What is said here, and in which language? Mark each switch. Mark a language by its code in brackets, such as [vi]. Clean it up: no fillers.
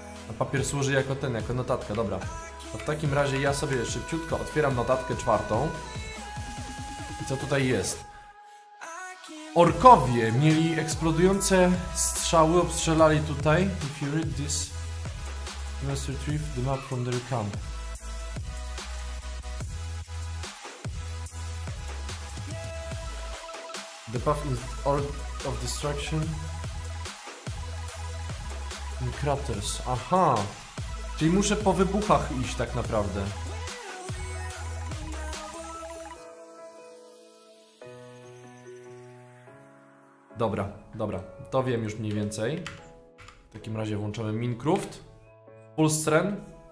[pl] A papier służy jako ten, jako notatka, dobra. To w takim razie ja sobie szybciutko otwieram notatkę czwartą. I co tutaj jest? Orkowie mieli eksplodujące strzały, obstrzelali tutaj. [en] If you read this, you must retrieve the map from their camp. The path is orb of destruction in craters. Aha! [pl] Czyli muszę po wybuchach iść tak naprawdę. Dobra, dobra. To wiem już mniej więcej. W takim razie włączamy Minecraft. [en] Full strength.